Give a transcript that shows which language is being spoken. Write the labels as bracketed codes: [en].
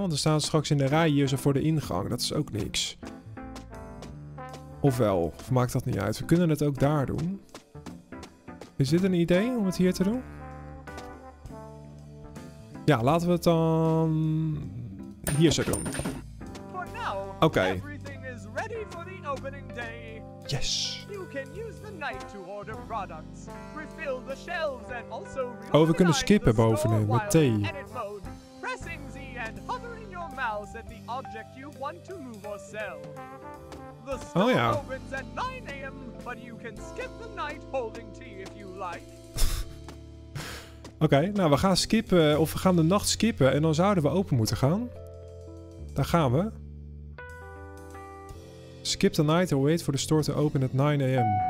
[nl] Want er staan straks in de rij hier zo voor de ingang. Dat is ook niks. Ofwel, of maakt dat niet uit. We kunnen het ook daar doen. Is dit een idee om het hier te doen? Ja, laten we het dan hier zo doen. Oké. [en] Everything is ready for the opening day. Yes. You can use the night to order products. Refill the shelves and also refill. [nl] Oh, we kunnen skippen bovenin met T. [en] Pressing Z and hovering your mouse at the object you want to move or sell. The store opens at 9 a.m., but you can skip the night holding tea if you like. [nl] Oké, nou, we gaan skippen, of we gaan de nacht skippen en dan zouden we open moeten gaan. Daar gaan we. [en] Skip the night or wait for the store to open at 9 a.m.